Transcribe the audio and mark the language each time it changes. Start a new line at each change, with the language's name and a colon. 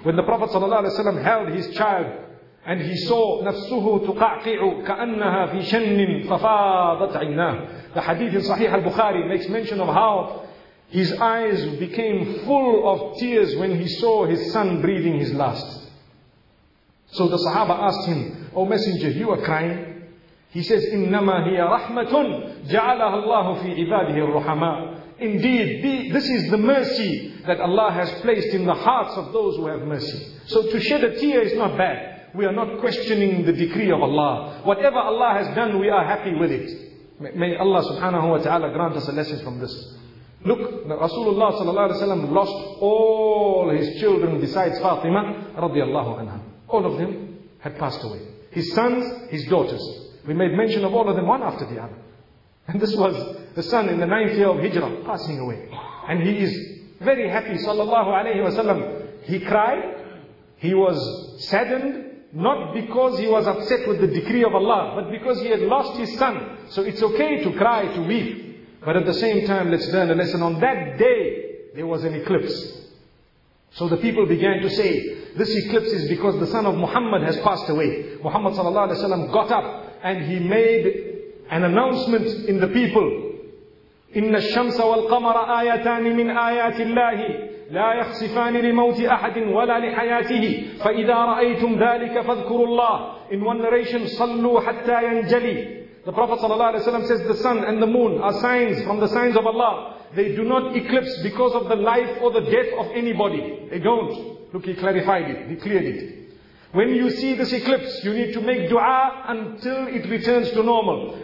English: When the Prophet sallallahu alaihi wasallam held his child and he saw
Arabic: nafsuhu tuqa'qi'u ka'annaha fi shannin fafadat 'aynah,
English: the hadith in Sahih al-Bukhari makes mention of how his eyes became full of tears when he saw his son breathing his last. So the Sahaba asked him, O Messenger, you are crying? He says,
Arabic: إِنَّمَا هِيَ رَحْمَةٌ جَعَلَهَا اللَّهُ فِي عِبَادِهِ الرُّحَمَاءِ.
English: Indeed, this is the mercy that Allah has placed in the hearts of those who have mercy. So to shed a tear is not bad. We are not questioning the decree of Allah. Whatever Allah has done, we are happy with it. May Allah subhanahu wa ta'ala grant us a lesson from this. Look, Rasulullah sallallahu alaihi wasallam lost all his children besides Fatima radiyallahu anha. All of them had passed away. His sons, his daughters. We made mention of all of them one after the other. And this was the son in the ninth year of Hijrah passing away. And he is very happy sallallahu alaihi wasallam. He cried. He was saddened. Not because he was upset with the decree of Allah, but because he had lost his son. So it's okay to cry, to weep. But at the same time, let's learn a lesson. On that day, there was an eclipse. So the people began to say, this eclipse is because the son of Muhammad has passed away. Muhammad sallallahu alaihi wasallam got up and he made an announcement in the people.
Arabic: إِنَّ الشَّمْسَ وَالْقَمَرَ آيَتَانِ مِنْ آيَاتِ اللَّهِ لَا يَخْسِفَانِ لِمَوْتِ أَحَدٍ وَلَا لِحَيَاتِهِ فَإِذَا رَأَيْتُمْ ذَلِكَ فَاذْكُرُوا اللَّهِ.
English: In one narration,
Arabic: صَلُّوا حَتَّى يَنْجَلِي.
English: The Prophet ﷺ says the sun and the moon are signs from the signs of Allah. They do not eclipse because of the life or the death of anybody. They don't. Look, he clarified it. He cleared it. When you see this eclipse, you need to make dua until it returns to normal.